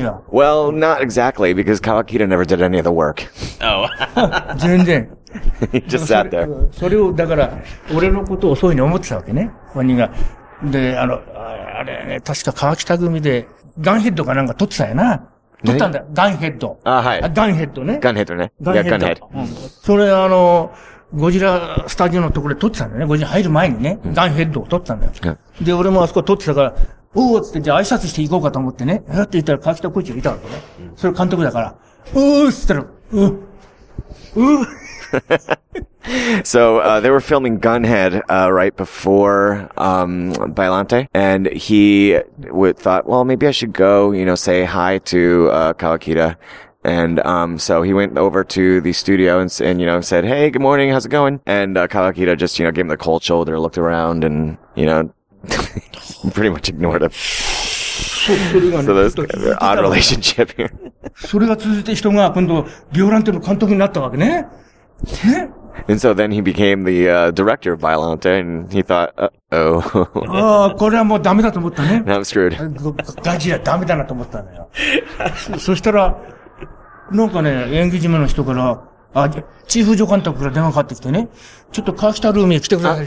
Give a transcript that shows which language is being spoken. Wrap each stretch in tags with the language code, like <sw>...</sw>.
<en>Well, not exactly, because Kawakita never did any of the work. Oh.</en> <ja>全然。</ja> <en>Just sat there.</en> <ja>それを、だから、俺のことをそういうふうに思ってたわけね。本人が。で、あれね、確か川北組で、ガンヘッドかなんか撮ってたよな。撮ったんだ。ガンヘッド。あ、はい。ガンヘッドね。ガンヘッドね。ガンヘッド。Yeah, ガンヘッド。それ、ゴジラスタジオのところで撮ってたんだよね。ゴジラ入る前にね。ガンヘッドを撮ってたんだよ。で、俺もあそこ撮ってたから、おーっつって、じゃあ挨拶していこうかと思ってね。やって言ったら、川北浩一がいたわけね。それ監督だから、おーっつったら、</ja> <en>So, they were filming Gunhead, right before, Biollante. And he would thought, well, maybe I should go, you know, say hi to, Kawakita. And, so he went over to the studio and, you know, said, hey, good morning, how's it going? And, Kawakita just, you know, gave him the cold shoulder, looked around and, you know, pretty much ignored him. So there's an odd relationship here.</en> <ja>それが続いて人が今度、ビオランテの監督になったわけね。</ja> <en>And so then he became the director of Biollante, and he thought, uh-oh.</en> <ja>Oh, これはもうダメだと思ったね。</ja> <en>Now I'm screwed.</en> <ja>ガジラダメだなと思ったのよ。そしたら、なんかね、演技事務の人から、あ、チーフ助監督から電話かかってきてね、ちょっと川北ルームへ来てください。</ja>